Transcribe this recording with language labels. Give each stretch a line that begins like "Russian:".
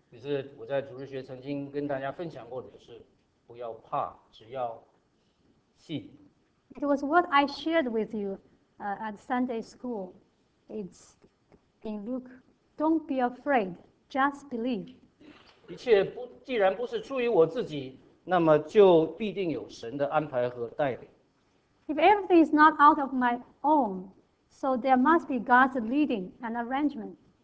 Chinese: 也是我在主日学曾经跟大家分享过的，就是不要怕，只要信。
English: It was what I shared with you at Sunday school. It's in Luke. Don't be afraid, just believe.
Chinese: 一切不，既然不是出于我自己，那么就必定有神的安排和带领。
English: If everything is not out of my own, so there must be God's leading and arrangement.